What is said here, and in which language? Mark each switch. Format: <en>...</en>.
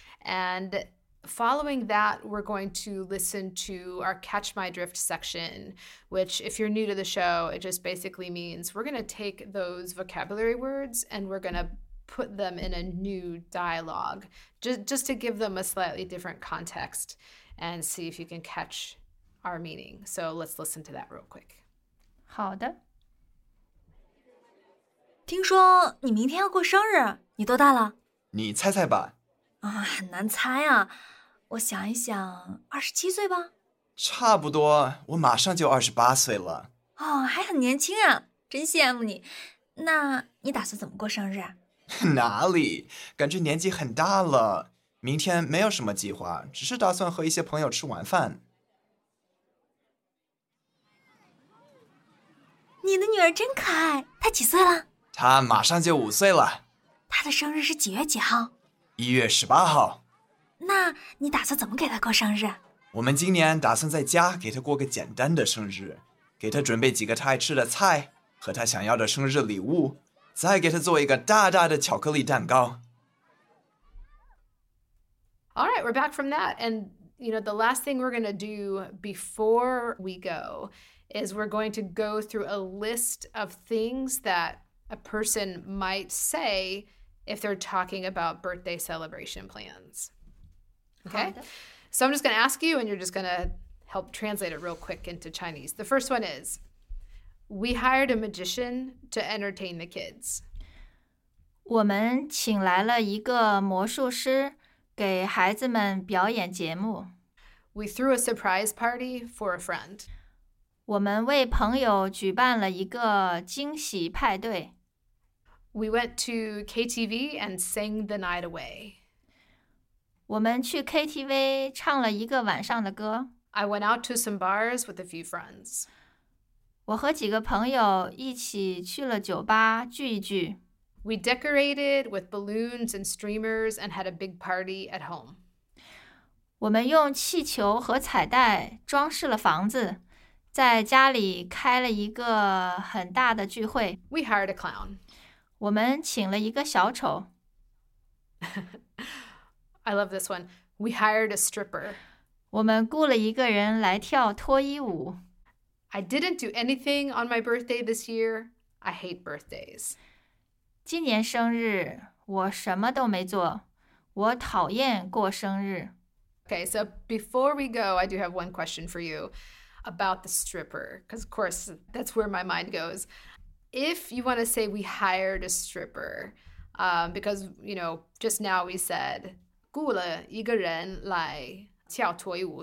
<en>And following that, we're going to listen to our Catch My Drift section, which if you're new to the show, it just basically means we're going to take those vocabulary words and we're going to put them in a new dialogue just to give them a slightly different context and see if you can catch our meaning. So let's listen to that real quick.</en> <zh>好的。听说你明天要过生日，你多大了？你猜猜吧。啊，很难猜啊。我想一想，27岁吧。差不多，我马上就28岁了。哦，还很年轻啊，真羡慕你。那你打算怎么过生日？哪里，感觉年纪很大了。明天没有什么计划，只是打算和一些朋友吃晚饭。你的女儿真可爱，她几岁了？他马上就5岁了。他的生日是几月几号？ 1月18号。那你打算怎么给他过生日？我们今年打算在家给他过个简单的生日，给他准备几个他爱吃的菜和他想要的生日礼物，再给他做一个大大的巧克力蛋糕。</zh> <en>All right, we're back from that. And, you know, the last thing we're going to do before we go is we're going to go through a list of things that a person might say if they're talking about birthday celebration plans. Okay? So I'm just going to ask you, and you're just going to help translate it real quick into Chinese. The first one is, we hired a magician to entertain the kids.</en> <zh>我们请来了一个魔术师给孩子们表演节目。</zh> <en>We threw a surprise party for a friend.</en> <zh>我们为朋友举办了一个惊喜派对。</zh> <en>We went to KTV and sang the night away.</en> <zh>我们去 KTV 唱了一个晚上的歌。</zh> <en>I went out to some bars with a few friends.</en> <zh>我和几个朋友一起去了酒吧聚一聚。</zh> <en>We decorated with balloons and streamers and had a big party at home.</en> <zh>我们用气球和彩带装饰了房子，在家里开了一个很大的聚会。</zh> <en>We hired a clown.</en> <zh>我们请了一个小丑。</zh> <en>I love this one. We hired a stripper.</en> <zh>我们雇了一个人来跳脱衣舞。</zh> <en>I didn't do anything on my birthday this year. I hate birthdays.</en> <zh>今年生日，我什么都没做。我讨厌过生日。</zh> <en>Okay, so before we go, I do have one question for you about the stripper. Because, of course, that's where my mind goes. If you want to say we hired a stripper, because, you know, just now we said,</en> <zh>雇了一个人来跳脱衣舞.</zh>